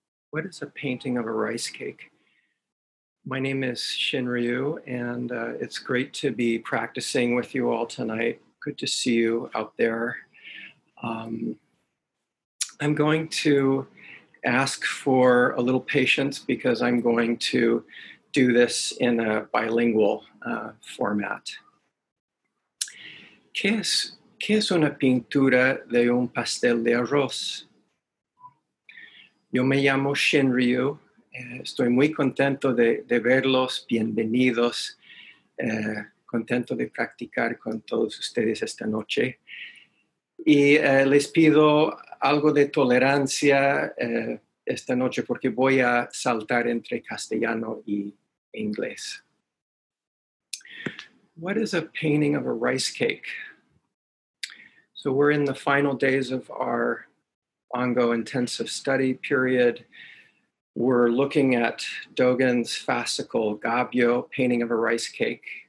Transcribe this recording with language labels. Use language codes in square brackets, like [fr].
[en] What is a painting of a rice cake? My name is Shinryu, and it's great to be practicing with you all tonight. Good to see you out there. I'm going to ask for a little patience because I'm going to do this in a bilingual format. [es] ¿Qué es una pintura de un pastel de arroz? Yo me llamo Shinryu. Estoy muy contento de verlos, bienvenidos, contento de practicar con todos ustedes esta noche. Y les pido algo de tolerancia esta noche porque voy a saltar entre castellano y inglés. [en] What is a painting of a rice cake? So we're in the final days of our Bongo intensive study period. We're looking at Dogen's fascicle, Gabyo, Painting of a Rice Cake.